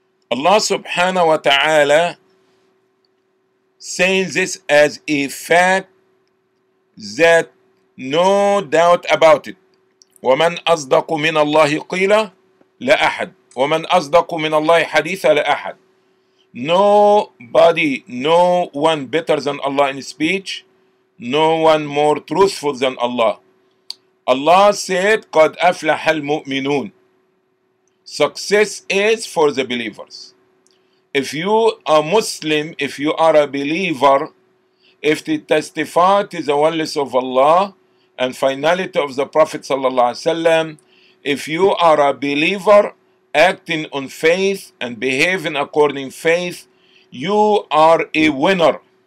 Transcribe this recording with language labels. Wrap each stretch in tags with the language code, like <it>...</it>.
<en>Allah subhanahu wa ta'ala saying this as a fact that no doubt about it.</en> <ar>وَمَنْ أَصْدَقُ مِنَ اللَّهِ قِيلَ لَأَحَدٍ وَمَنْ أَصْدَقُ مِنَ اللَّهِ حَدِيثَ لَأَحَدٍ.</ar> <en>Nobody, no one better than Allah in speech, no one more truthful than Allah. Allah said,</en> <ar>قَدْ أَفْلَحَ الْمُؤْمِنُونَ.</ar> <en>Success is for the believers. If you are Muslim, if you are a believer, if they testify to the oneness of Allah and finality of the Prophet ﷺ, if you are a believer, acting on faith and behaving according faith, you are a winner.</en>